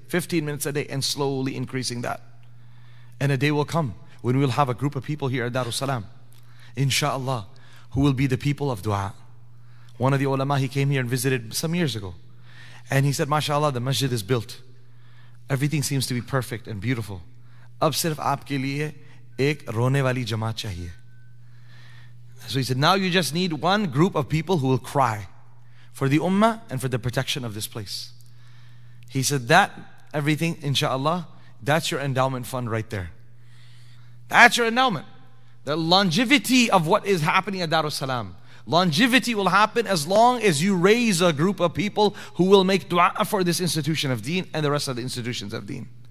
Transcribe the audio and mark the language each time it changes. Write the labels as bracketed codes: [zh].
[en] 15 minutes a day, and slowly increasing that. And a day will come when we'll have a group of people here at Darul Salam, inshallah, who will be the people of dua. One of the ulama, he came here and visited some years ago. And he said, mashallah, the masjid is built. Everything seems to be perfect and beautiful. [ur] اب صرف آپکے لیے ایک رونے والی جماعت چاہیے. [en] So he said, now you just need one group of people who will cry for the ummah and for the protection of this place. He said, that everything, inshallah, that's your endowment fund right there. That's your endowment. The longevity of what is happening at Darul Salam. Longevity will happen as long as you raise a group of people who will make dua for this institution of deen and the rest of the institutions of deen.